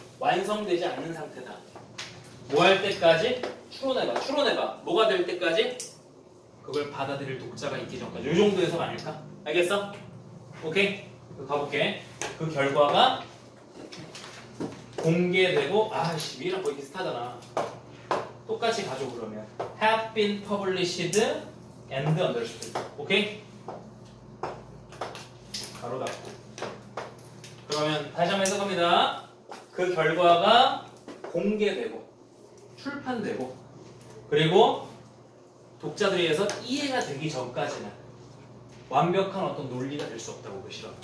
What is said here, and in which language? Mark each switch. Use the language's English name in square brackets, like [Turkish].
[Korean] 완성되지 않는 상태다. 뭐 할 때까지? 추론해봐. 추론해봐. 뭐가 될 때까지? 그걸 받아들일 독자가 있기 전까지. 이 정도 해석 아닐까? 알겠어? 오케이. 가볼게. 그 결과가 공개되고, 아이씨, 위랑 거의 비슷하잖아. 똑같이 가죠, 그러면. [English] Have been published and understood. [Korean] 오케이? 바로 닫고. 그러면 다시 한번 해석합니다. 그 결과가 공개되고, 출판되고, 그리고 독자들에 의해서 이해가 되기 전까지는 완벽한 어떤 논리가 될 수 없다고 그 실험.